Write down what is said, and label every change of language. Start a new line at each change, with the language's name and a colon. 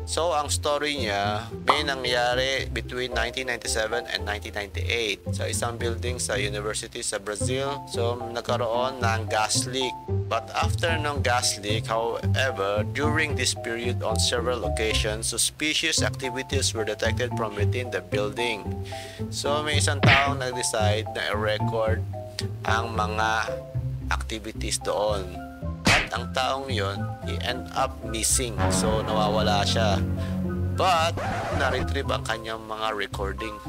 Filipino: So ang story niya, may nangyari between 1997 and 1998 sa isang building sa university sa Brazil. So nagkaroon ng gas leak.
English: But after nung gas leak, however, during this period on several occasions, suspicious activities were detected from within the building.
Filipino: So may isang taong nag-decide na i-record ang mga activities doon. At ang taong yun,
English: he end up missing.
Filipino: So nawawala siya. But na-retrieve ang kanyang mga recording.